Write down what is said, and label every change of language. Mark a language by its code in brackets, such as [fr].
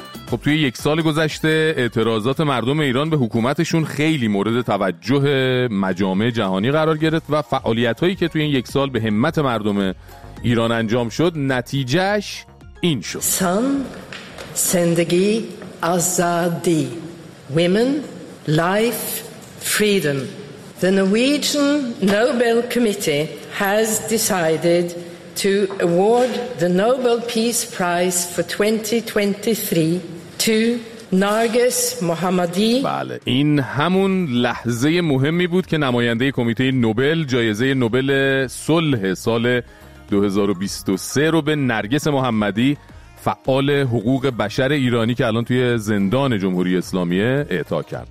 [fa] خب توی یک سال گذشته اعتراضات مردم ایران به حکومتشون خیلی مورد توجه مجامع جهانی قرار گرفت و فعالیت‌هایی که توی این یک سال به همت مردم ایران انجام شد نتیجهش این شد: سن، زندگی، آزادی، [en] women, life, freedom. The Norwegian Nobel Committee has decided to award the Nobel Peace Prize for 2023 Narges Mohammadi. [fa] بله، این همون لحظه مهمی بود که نماینده کمیته نوبل جایزه نوبل صلح سال 2023 رو به نرگس محمدی، فعال حقوق بشر ایرانی که الان توی زندان جمهوری اسلامیه، اعطا کرد.